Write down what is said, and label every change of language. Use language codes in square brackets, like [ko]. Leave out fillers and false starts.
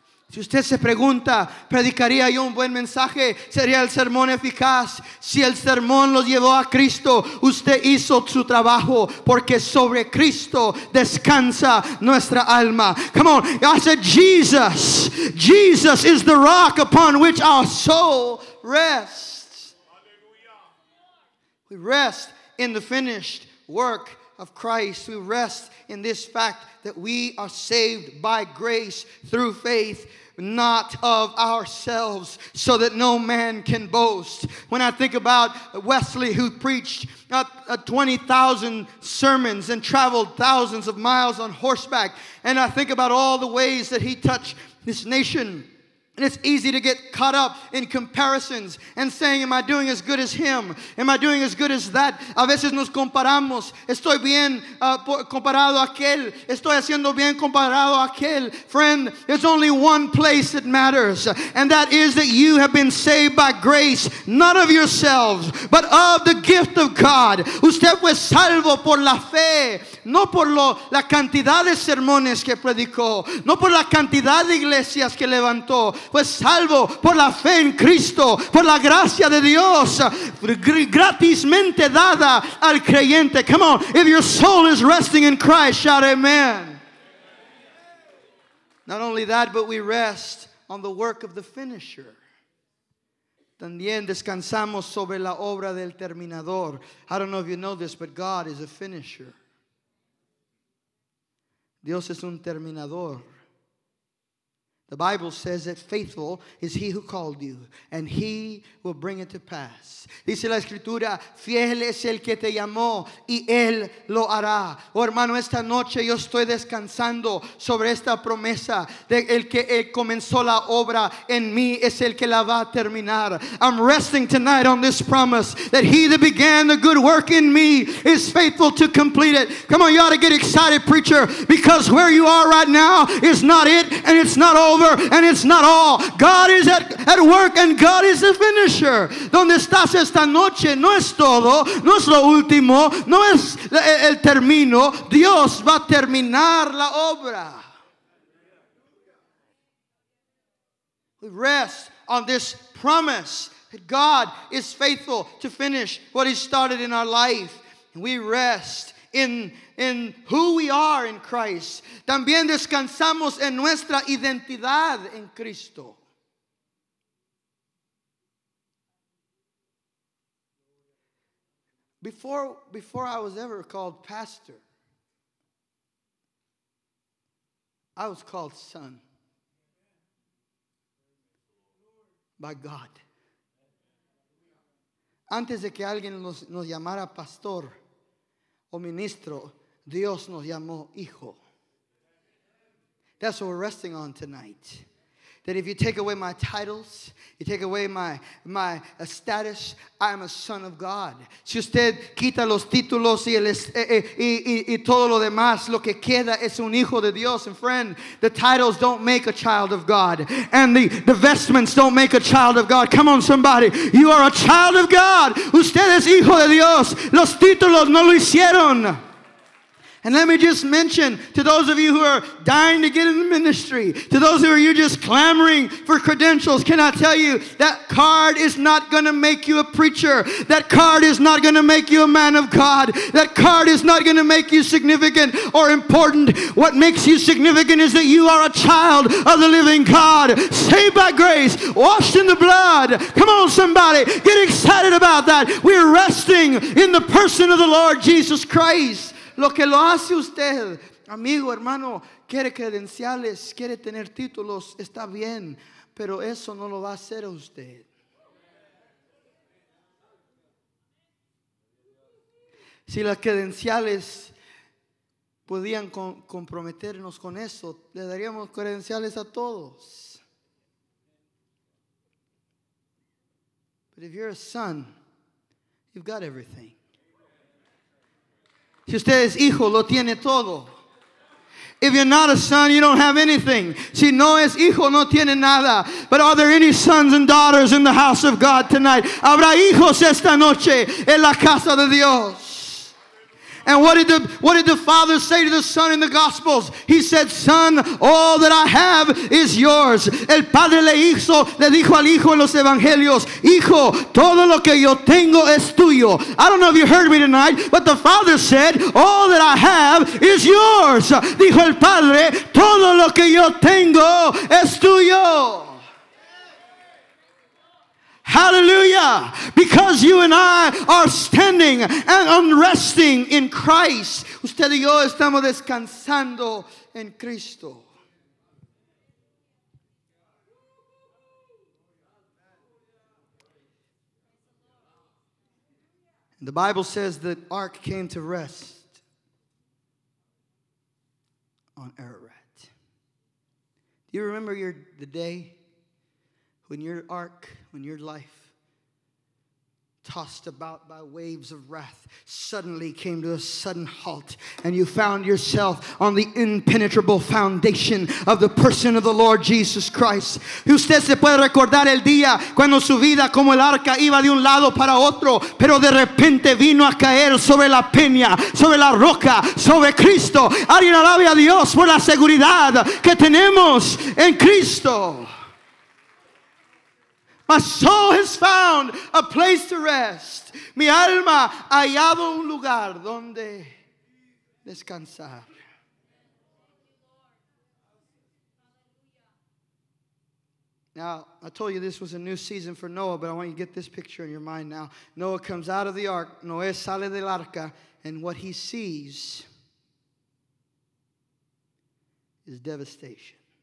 [es] Si usted se pregunta, ¿predicaría yo un buen mensaje? ¿Sería el sermón eficaz? Si el sermón los llevó a Cristo, usted hizo su trabajo, porque sobre Cristo descansa nuestra alma. [en] Come on, I said Jesus. Jesus is the rock upon which our soul rests. We rest in the finished work of Christ. We rest in this fact that we are saved by grace through faith, not of ourselves, so that no man can boast. When I think about Wesley, who preached 20,000 sermons and traveled thousands of miles on horseback, and I think about all the ways that he touched this nation, and it's easy to get caught up in comparisons and saying, am I doing as good as him? Am I doing as good as that? [es] A veces nos comparamos. Estoy bien comparado a aquel. Estoy haciendo bien comparado a aquel. [en] Friend, there's only one place that matters. And that is that you have been saved by grace, not of yourselves, but of the gift of God. [es] Usted fue salvo por la fe. No por la cantidad de sermones que predicó. No por la cantidad de iglesias que levantó. fue salvo por la fe en Cristo, por la gracia de Dios, gratismente dada al creyente. [en] Come on, if your soul is resting in Christ, shout amen. Not only that, but we rest on the work of the finisher. [es] También descansamos sobre la obra del terminador. [en] I don't know if you know this, but God is a finisher. [es] Dios es un terminador. [en] The Bible says that faithful is he who called you, and he will bring it to pass. [es] Dice la Escritura, fiel es el que te llamó, y él lo hará. Oh, hermano, esta noche yo estoy descansando sobre esta promesa de el que comenzó la obra en mí es el que la va a terminar. [en] I'm resting tonight on this promise that he that began the good work in me is faithful to complete it. Come on, you ought to get excited, preacher, because where you are right now is not it, and it's not all. Over, and it's not all. God is at work, and God is the finisher. [es] Donde estás esta noche no es todo, no es lo último, no es el término. Dios va a terminar la obra. [en] We rest on this promise that God is faithful to finish what he started in our life. We rest in who we are in Christ. [es] También descansamos en nuestra identidad en Cristo. [en] Before I was ever called pastor, I was called son by God. [es] Antes de que alguien nos llamara pastor o ministro, Dios nos llamó hijo. [en] That's what we're resting on tonight. That if you take away my titles, you take away my status, I am a son of God. [es] Si usted quita los títulos y todo lo demás, lo que queda es un hijo de Dios. [en] And friend, the titles don't make a child of God. And the vestments don't make a child of God. Come on, somebody. You are a child of God. [es] Usted es hijo de Dios. Los títulos no lo hicieron. [en] And let me just mention to those of you who are dying to get in the ministry, to those who are you just clamoring for credentials, can I tell you that card is not going to make you a preacher. That card is not going to make you a man of God. That card is not going to make you significant or important. What makes you significant is that you are a child of the living God, saved by grace, washed in the blood. Come on, somebody, get excited about that. We're resting in the person of the Lord Jesus Christ. [es] Lo que lo hace usted, amigo, hermano, quiere credenciales, quiere tener títulos, está bien, pero eso no lo va a hacer a usted. Si las credenciales podían comprometernos con eso, le daríamos credenciales a todos. [en] But if you're a son, you've got everything. [es] Si usted es hijo, lo tiene todo. [en] If you're not a son, you don't have anything. [es] Si no es hijo, no tiene nada. [en] But are there any sons and daughters in the house of God tonight? [es] Habrá hijos esta noche en la casa de Dios. [en] And what did the father say to the son in the Gospels? He said, son, all that I have is yours. [es] El padre le dijo al hijo en los evangelios, hijo, todo lo que yo tengo es tuyo. [en] I don't know if you heard me tonight, but the father said, all that I have is yours. [es] Dijo el padre, todo lo que yo tengo es tuyo. [en] Hallelujah, because you and I are standing and resting in Christ. [es] Usted y yo estamos descansando en Cristo. [en] The Bible says the ark came to rest on Ararat. Do you remember the day when your ark, when your life, tossed about by waves of wrath, suddenly came to a sudden halt, and you found yourself on the impenetrable foundation of the person of the Lord Jesus Christ? [es] Usted se puede recordar el día cuando su vida como el arca iba de un lado para otro, pero de repente vino a caer sobre la peña, sobre la roca, sobre Cristo. Alguien alabe a Dios por la seguridad que tenemos en Cristo. [en] My soul has found a place to rest. [es] Mi alma ha hallado un lugar donde descansar. [en] Now, I told you this was a new season for Noah, but I want you to get this picture in your mind now. Noah comes out of the ark. [es] Noah sale del arca, [en] and what he sees is devastation.